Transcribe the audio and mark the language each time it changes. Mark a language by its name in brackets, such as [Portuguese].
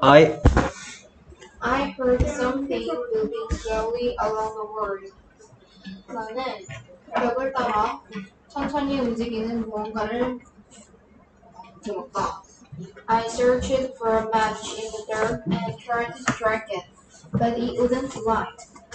[English] I heard something moving slowly along the road. [Korean] 나는 벽을 따라 천천히 움직이는 무언가를 들었다. [English] I searched for a match in the dark and tried to strike it, but it wouldn't light.